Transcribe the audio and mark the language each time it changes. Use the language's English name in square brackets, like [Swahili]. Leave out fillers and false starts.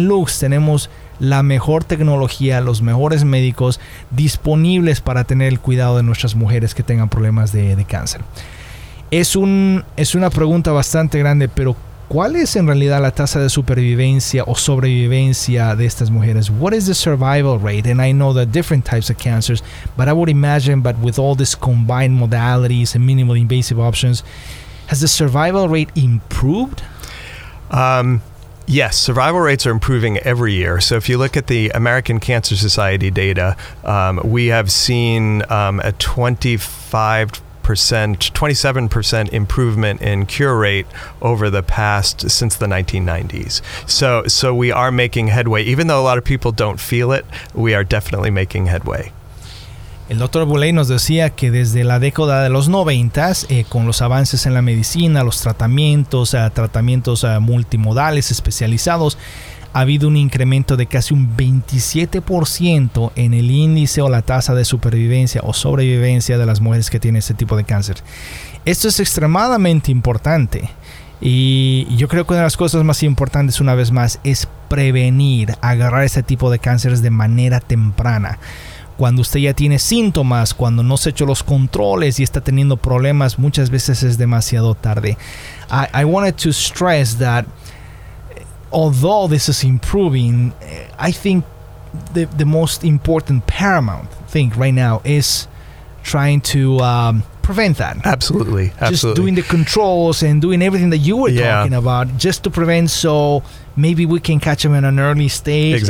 [Spanish] Luke's tenemos la mejor tecnología, los mejores médicos disponibles para tener el cuidado de nuestras mujeres que tengan problemas de cáncer. Es una pregunta bastante grande, pero ¿cuál es en realidad la tasa de supervivencia o sobrevivencia de estas mujeres? [English] What is the survival rate? And I know the different types of cancers, but I would imagine, but with all these combined modalities and minimal invasive options, has the survival rate improved? Yes, survival rates are improving every year. So if you look at the American Cancer Society data, we have seen a 27% improvement in cure rate over the past, since the 1990s. So we are making headway. Even though a lot of people don't feel it, we are definitely making headway. [Spanish] El Dr. Boulay nos decía que desde la década de los 90s, con los avances en la medicina, los tratamientos, multimodales, especializados, ha habido un incremento de casi un 27% en el índice o la tasa de supervivencia o sobrevivencia de las mujeres que tienen este tipo de cáncer. Esto es extremadamente importante, y yo creo que una de las cosas más importantes, una vez más, es prevenir, agarrar este tipo de cánceres de manera temprana. Cuando usted ya tiene síntomas, cuando no se ha hecho los controles y está teniendo problemas, muchas veces es demasiado tarde. [English] I wanted to stress that although this is improving, I think the most important, paramount thing right now is trying to prevent that. Absolutely, absolutely. Just doing the controls and doing everything that you were talking about just to prevent, so maybe we can catch them in an early stage.